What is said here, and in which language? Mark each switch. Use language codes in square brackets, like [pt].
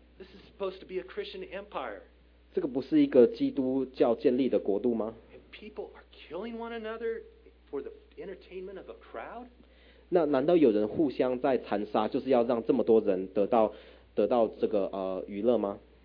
[en] This is supposed to be a Christian empire. [zh] 这个不是一个基督教建立的国度吗？ [en] And people are killing one another for the entertainment of a crowd? [zh] 那难道有人互相在残杀，就是要让这么多人得到这个娱乐吗？